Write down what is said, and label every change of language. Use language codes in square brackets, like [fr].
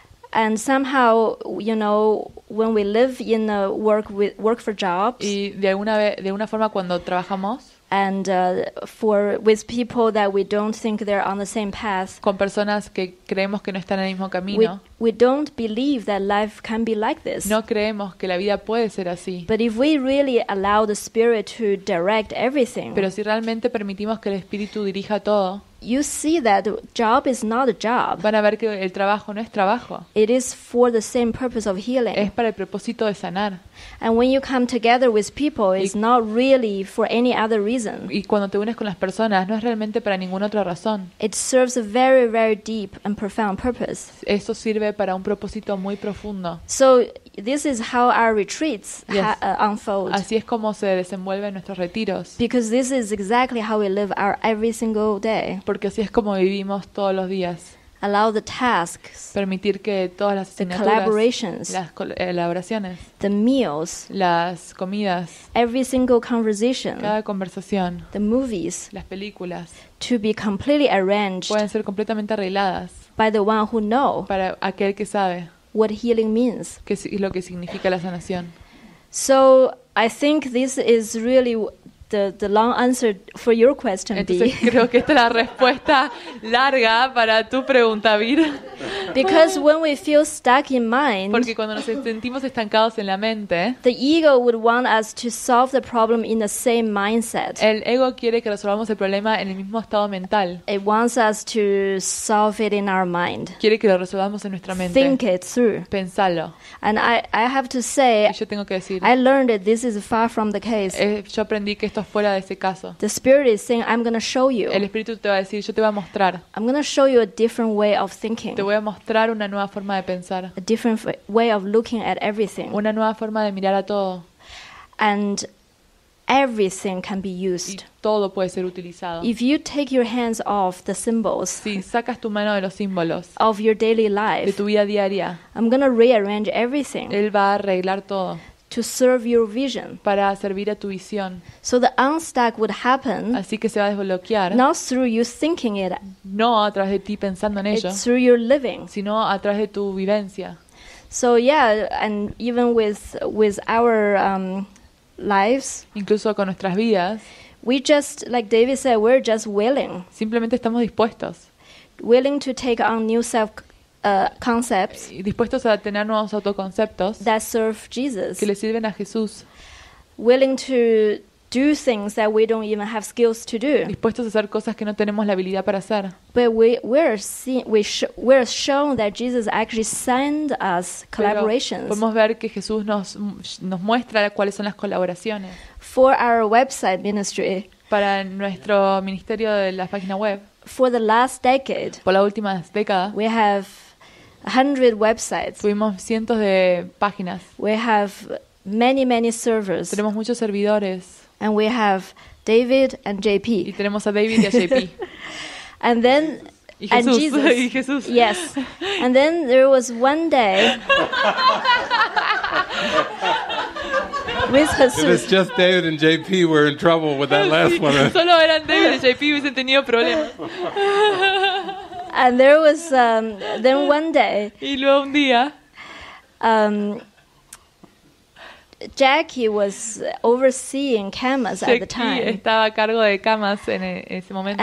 [en] And somehow, you know, when we live in a work for jobs, [es] y de una forma cuando trabajamos, [en] and for with people that we don't think they're on the same path. [es] Con personas que creemos que no están en el mismo camino. [en] We don't believe that life can be like this. [es] No creemos que la vida puede ser así. [en] But if we really allow the spirit to direct everything. [es] Pero si realmente permitimos que el espíritu dirija todo. [en] You see that job is not a job. [es] Van a ver que el trabajo no es trabajo. [en] It is for the same purpose of healing. [es] Es para el propósito de sanar. [en] And when you come together with people, it's not really for any other reason. [es] Y cuando te unes con las personas, no es realmente para ninguna otra razón. [en] It serves a very, very deep and profound purpose. [es] Esto sirve para un propósito muy profundo. [en] So this is how our retreats unfold. [es] Así es como se desenvuelven nuestros retiros. [en] Because this is exactly how we live our every single day. [es] Porque así es como vivimos todos los días. [en] Allow the tasks, [es] permitir que todas las [en] the collaborations, [es] las colaboraciones, [en] the meals, [es] las comidas, [en] every single conversation, [es] cada conversación, [en] the movies, [es] las películas, [en] to be completely arranged, [es] pueden ser completamente arregladas, [en] by the one who know, [es] para aquel que sabe, [en] what healing means, [es] qué es lo que significa la sanación. [en] So I think this is really the long answer for your question, Bee. [es] Entonces creo que esta es la respuesta larga para tu pregunta, Bee. [en] Because when we feel stuck in mind, [es] porque cuando nos sentimos estancados en la mente, [en] the ego would want us to solve the problem in the same mindset. [es] El ego quiere que resolvamos el problema en el mismo estado mental. [en] It wants us to solve it in our mind. [es] Quiere que lo resolvamos en nuestra mente. [en] Think it through. [es] Pensarlo. [en] And I have to say, [es] yo tengo que decir, [en] I learned that this is far from the case. [es] Yo aprendí que esto es fuera de ese caso. [en] The spirit is saying, I'm gonna show you. [es] El espíritu te va a decir, yo te voy a mostrar. [en] I'm gonna show you a different way of thinking. [es] Te voy a mostrar una nueva forma de pensar. [en] A different way of looking at everything. [es] Una nueva forma de mirar a todo. [en] And everything can be used. [es] Y todo puede ser utilizado. [en] If you take your hands off the symbols, [es] si sacas tu mano de los símbolos, [en] of your daily life, [es] de tu vida diaria, [en] I'm gonna rearrange everything. [es] Él va a arreglar todo. [en] To serve your vision. [es] Para servir a tu visión. [en] So the unstuck would happen. [es] Así que se va a desbloquear. [en] Not through you thinking it. [es] No a través de ti pensando en ello. [en] It's through your living. [es] Sino a través de tu vivencia. [en] So yeah, and even with our lives. [es] Incluso con nuestras vidas. [en] We just, like David said, we're just willing. [es] Simplemente estamos dispuestos. [en] Willing to take on new self. Concepts [es] dispuestos a tener nuevos autoconceptos [en] that serve Jesus, [es] que le sirven a Jesús, [en] willing to do things that we don't even have skills to do, [es] dispuestos a hacer cosas que no tenemos la habilidad para hacer, [en] but we're shown that Jesus actually send us collaborations. [es] Pero podemos ver que Jesús nos muestra cuáles son las colaboraciones [en] for our website ministry, [es] para nuestro ministerio de la página web. [en] For the last decade, [es] por la última década, [en] we have 100 websites. [es] Tuvimos cientos de páginas. [en] We have many, many servers. [es] Tenemos muchos servidores. [en] And we have David and JP. [es] Y tenemos a David y a JP. [en] And then [es] y Jesús. [en] And Jesus. [es] Y Jesús. [en] Yes. And then there was one day with Jesus. If it's just David and JP, we're in trouble with that last one. [es] Solo eran David y JP, hubiesen tenido problemas. [en] And there was then one day. [es] Y luego un día. [en] Jackie was overseeing camas [es] Jackie [en] at the time. [es] Jackie estaba a cargo de camas en ese momento.